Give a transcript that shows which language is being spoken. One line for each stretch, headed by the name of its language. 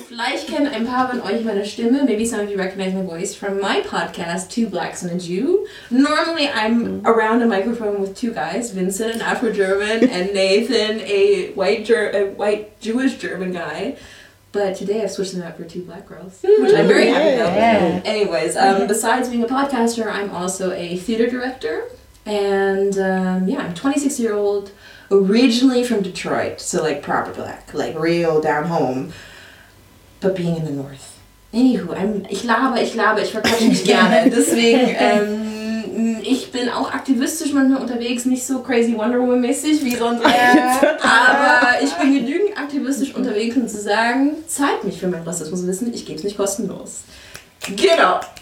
German: Vielleicht kennen ein paar von euch meine Stimme.
English: Maybe some of you recognize my voice from my podcast, Two Blacks and a Jew. Normally I'm around a microphone with two guys, Vincent, an Afro-German, and Nathan, a white Jewish German guy. But today I've switched them out for two black girls, which I'm very happy about. Yeah. Anyways, besides being a podcaster, I'm also a theater director. And I'm 26-year-old, originally from Detroit, so like proper black, like real down home, but being in the north.
German: Anywho, ich verquatsche mich gerne, deswegen, ich bin auch aktivistisch manchmal unterwegs, nicht so crazy Wonder Woman-mäßig wie sonst, aber ich bin genügend aktivistisch unterwegs, um zu sagen, zeigt mich für mein Rassismuswissen, ich gebe es nicht kostenlos. Genau!